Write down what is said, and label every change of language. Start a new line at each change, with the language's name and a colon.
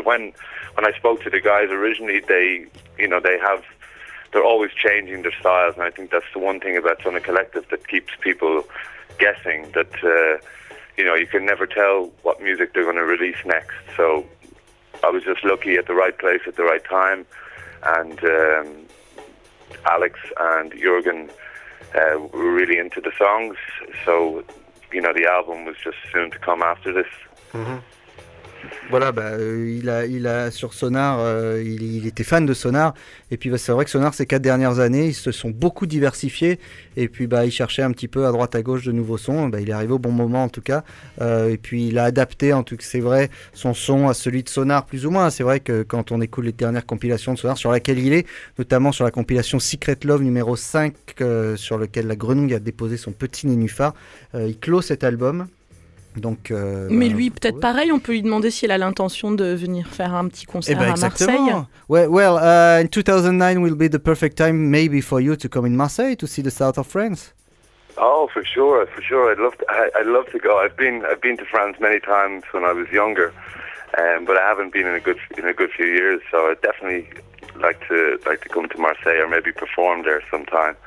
English: But when I spoke to the guys originally, they're always changing their styles, and I think that's the one thing about Sonar Collective that keeps people guessing, that you can never tell what music they're going to release next. So I was just lucky at the right place at the right time, and Alex and Jürgen were really into the songs, so the album was just soon to come after this. Mm-hmm.
French: Voilà, il a sur Sonar, il était fan de Sonar, et puis c'est vrai que Sonar, ces 4 dernières années, ils se sont beaucoup diversifiés, et puis il cherchait un petit peu à droite à gauche de nouveaux sons, il est arrivé au bon moment en tout cas, et puis il a adapté en tout cas, c'est vrai, son son à celui de Sonar plus ou moins. C'est vrai que quand on écoute les dernières compilations de Sonar sur laquelle il est, notamment sur la compilation Secret Love numéro 5 sur laquelle la grenouille a déposé son petit nénuphar, il clôt cet album. Donc, mais lui, peut-être pareil, on peut lui demander s'il a l'intention de venir faire un petit concert exactement. À Marseille.
English: Well, in 2009 will be the perfect time maybe for you to come in Marseille to see the south of France. Oh, for sure. I'd love to go. I've been to France many times when I was younger, but I haven't been in a good few years, so I definitely like to come to Marseille or maybe perform there sometime.